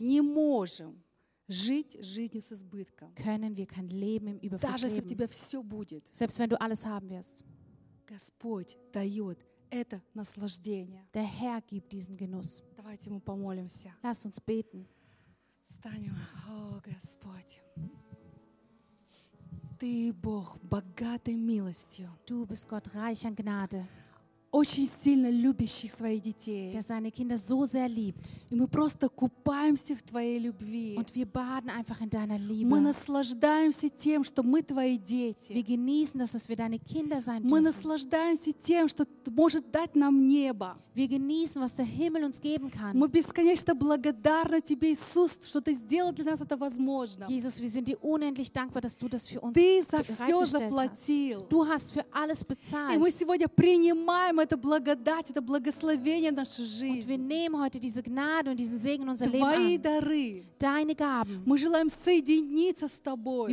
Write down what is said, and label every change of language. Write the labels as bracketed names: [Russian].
[Russian] Не можем жить жизнью с избытком. [German] Können wir kein Leben im Überfluss [Russian] Даже если [German] leben. [Russian] У тебя все будет. [German] Selbst wenn du alles haben wirst. [Russian] Господь дает это наслаждение. [German] Der Herr gibt diesen Genuss. [Russian] Давайте мы помолимся. [German] Lass uns beten. [Russian] Встанем. О, Господь. Ты Бог богатой милостью. [German] Du bist Gott reich an Gnade. [Russian] Очень сильно любящих своих детей. [German] Der seine Kinder so sehr liebt. [Russian] И мы просто купаемся в твоей любви. [German] Und wir baden einfach in deiner Liebe. [Russian] Мы наслаждаемся тем, что мы твои дети. [German] Wir genießen, dass wir deine Kinder sein dürfen. [Russian] Мы наслаждаемся тем, что может дать нам небо. [German] Wir genießen, was der Himmel uns geben kann. [Russian] Мы бесконечно благодарны тебе, Иисус, что ты сделал для нас это возможно. [German] Jesus, wir sind dir unendlich dankbar, dass du das für uns bereitgestellt hast. Du hast für alles bezahlt. [Russian] И мы сегодня принимаем это благодать, это благословение в нашу жизнь. [German] Und wir nehmen heute diese Gnade und diesen Segen in unser [Russian] Твои [German] Leben an. [Russian] Дары. [German] Deine Gaben. [Russian] Мы желаем соединиться с тобой.